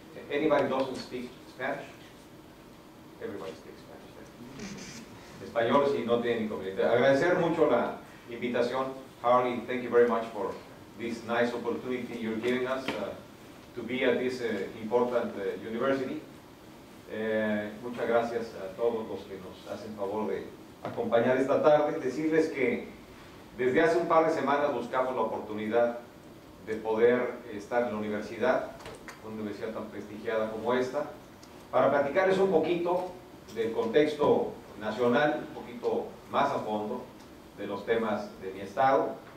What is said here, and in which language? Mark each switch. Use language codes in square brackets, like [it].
[en] Anybody doesn't speak Spanish? Everybody speaks Spanish. [es] Español si no tiene inconveniente. Agradecer mucho la invitación. [en] Harley, thank you very much for this nice opportunity you're giving us to be at this important university. [es] Muchas gracias a todos los que nos hacen favor de acompañar esta tarde. Decirles que desde hace un par de semanas buscamos la oportunidad de poder estar en la universidad, una universidad tan prestigiada como esta, para platicarles un poquito del contexto nacional, un poquito más a fondo de los temas de mi estado.